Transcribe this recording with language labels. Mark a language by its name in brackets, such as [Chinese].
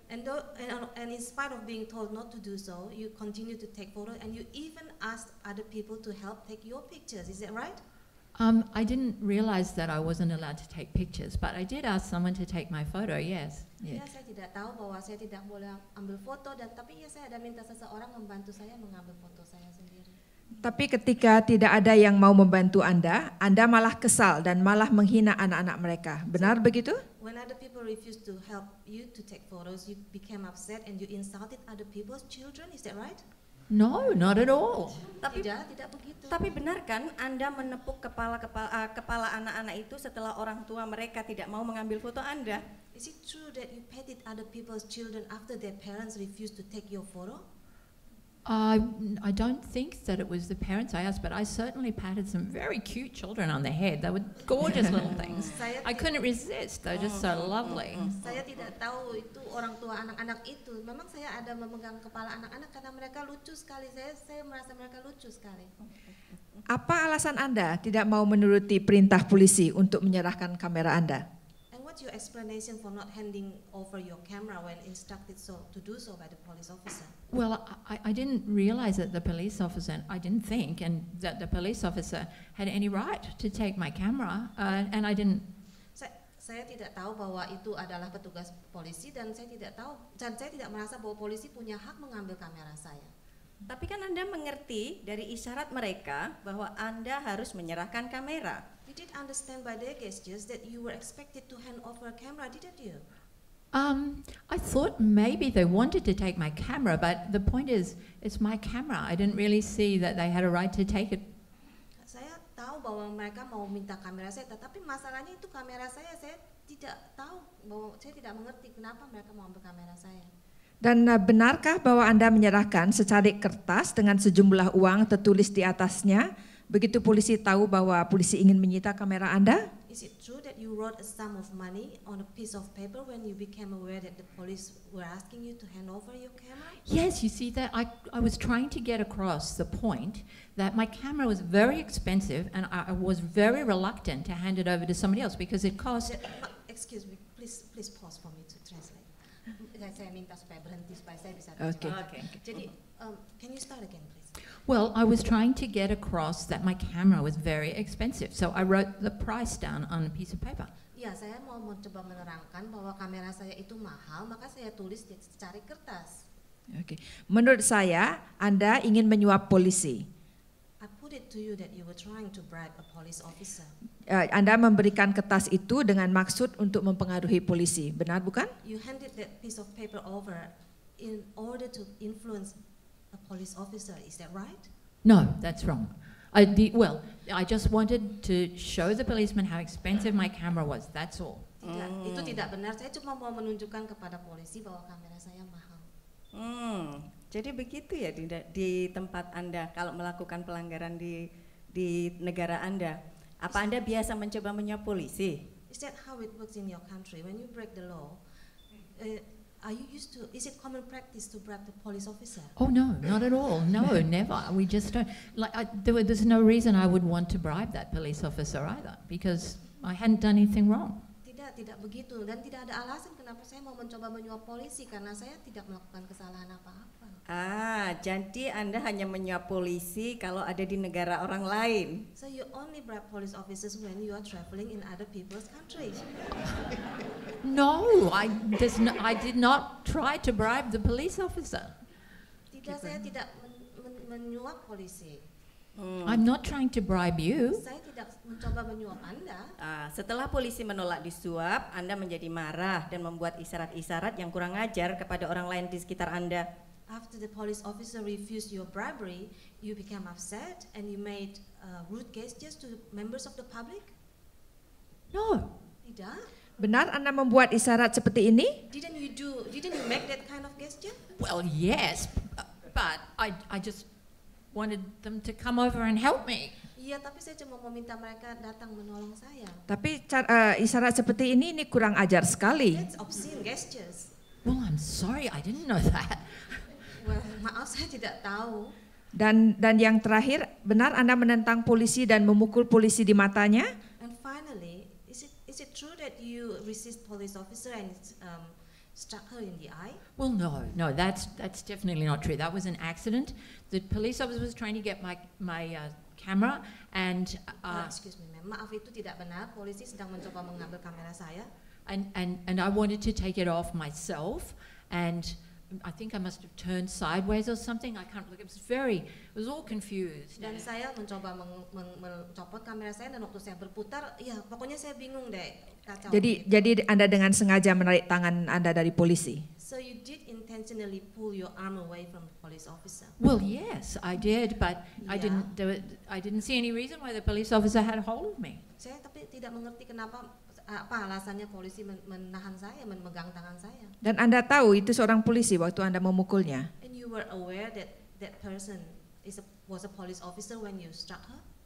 [English] And in spite of being told not to do so, you continue to take photos and you even asked other people to help take your pictures. Is that right? I didn't realize that I wasn't allowed to take pictures, but I did ask someone to take my photo. Yes. [Indonesian] Ya, saya tidak tahu bahwa saya tidak boleh ambil foto dan tapi ya saya ada minta seseorang membantu saya mengambil foto saya sendiri. Tapi ketika tidak ada yang mau membantu Anda, Anda malah kesal dan malah menghina anak-anak mereka. Benar begitu? [English] When other people refused to help you to take photos, you became upset and you insulted other people's children. Is that right? No, not at all. [Indonesian] Tidak begitu. Tapi benar kan Anda menepuk kepala anak-anak itu setelah orang tua mereka tidak mau mengambil foto Anda? [English] Is it true that you petted other people's children after their parents refused to take your photo? I don't think that it was the parents I asked, but I certainly patted some very cute children on the head. They were gorgeous little things. I couldn't resist. They're just so lovely. [Indonesian] Saya tidak tahu itu orang tua anak-anak itu. Memang saya ada memegang kepala anak-anak karena mereka lucu sekali. Saya merasa mereka lucu sekali. Apa alasan Anda tidak mau menuruti perintah polisi untuk menyerahkan kamera Anda? [English] And what was your explanation for not handing over your camera when instructed so to do so by the police officer? Well, I didn't realize that the police officer, I didn't think, and that the police officer had any right to take my camera, and I didn't. [Indonesian] Saya tidak tahu bahwa itu adalah petugas polisi dan saya tidak tahu dan saya tidak merasa bahwa polisi punya hak mengambil kamera saya. Tapi kan Anda mengerti dari isyarat mereka bahwa Anda harus menyerahkan kamera. [English] You did understand by their gestures that you were expected to hand over a camera, didn't you? I thought maybe they wanted to take my camera, but the point is, it's my camera. I didn't really see that they had a right to take it. [Indonesian] Saya tahu bahwa mereka mau minta kamera saya, tetapi masalahnya itu kamera saya tidak tahu bahwa saya tidak mengerti kenapa mereka mau ambil kamera saya. Dan benarkah bahwa Anda menyerahkan secarik kertas dengan sejumlah uang tertulis di atasnya begitu polisi tahu bahwa polisi ingin menyita kamera Anda? [English] Is it true that you wrote a sum of money on a piece of paper when you became aware that the police were asking you to hand over your camera? Yes, you see that I was trying to get across the point that my camera was very expensive and I was very reluctant to hand it over to somebody else because it cost... Excuse me, please pause for me to translate. [Indonesian] Saya minta supaya berhenti supaya saya bisa terjemah. Okay. [English] Jadi, can you start again, please? Well, I was trying to get across that my camera was very expensive, so I wrote the price down on a piece of paper. [Indonesian] Ya, saya mau mencoba menerangkan bahwa kamera saya itu mahal, maka saya tulis di secarik kertas. Okay. Menurut saya, Anda ingin menyuap polisi. [English] I put it to you that you were trying to bribe a police officer. [Indonesian] Anda memberikan kertas itu dengan maksud untuk mempengaruhi polisi, benar bukan? [English] You handed that piece of paper over in order to influence a police officer, is that right? No, that's wrong. I just wanted to show the policeman how expensive my camera was, that's all. [Indonesian] Tidak, itu tidak benar. Saya cuma mau menunjukkan kepada polisi bahwa kamera saya mahal. Jadi begitu ya di tempat Anda kalau melakukan pelanggaran di negara Anda. Apa Anda biasa mencoba menyuap polisi? [English] Is that how it works in your country? When you break the law, are you used to? Is it common practice to bribe the police officer? Oh no, not at all. No, never. We just don't. Like, there's no reason I would want to bribe that police officer either, because I hadn't done anything wrong. [Indonesian] Tidak begitu, dan tidak ada alasan kenapa saya mau mencoba menyuap polisi karena saya tidak melakukan kesalahan apa-apa. Jadi Anda hanya menyuap polisi kalau ada di negara orang lain. [English] So you only bribe police officers when you are traveling in other people's countries. No, I did not try to bribe the police officer. [Indonesian] Tidak, saya tidak menyuap polisi. [English] I'm not trying to bribe you. [Indonesian] Saya tidak mencoba menyuap Anda. Setelah polisi menolak disuap, Anda menjadi marah dan membuat isyarat-isyarat yang kurang ajar kepada orang lain di sekitar Anda. [English] After the police officer refused your bribery, you became upset and you made rude gestures to members of the public? No. [Indonesian] Tidak. Benar Anda membuat isyarat seperti ini? [English] Didn't you make that kind of gesture? Well, yes, but I just wanted them to come over and help me. [Indonesian] Iya, tapi saya cuma meminta mereka datang menolong saya. Tapi isyarat seperti ini kurang ajar sekali. [English] That's obscene gestures. Well, I'm sorry, I didn't know that. [Indonesian] Well, maaf, saya tidak tahu. Dan yang terakhir, benar Anda menentang polisi dan memukul polisi di matanya? [English] And finally, is it true that you resist police officer and struck her in the eye? Well, no, that's definitely not true. That was an accident. The police officer was trying to get my camera, and excuse me, ma'am. [Indonesian] Maaf, itu tidak benar. Polisi sedang mencoba mengambil kamera saya. [English] And I wanted to take it off myself, and I think I must have turned sideways or something. I can't look. It was all confused. [Indonesian] Dan saya mencoba mencopot kamera saya, dan waktu saya berputar, ya pokoknya saya bingung deh. Kacau. Jadi Anda dengan sengaja menarik tangan Anda dari polisi? [English] So you did intentionally pull your arm away from the police officer? Well, yes, I did, but yeah. I didn't see any reason why the police officer had a hold of me. [Indonesian] Saya tapi tidak mengerti kenapa apa alasannya polisi menahan saya, memegang tangan saya. Dan Anda tahu itu seorang polisi waktu Anda memukulnya? [English] And you were aware that person was a police officer when you struck her?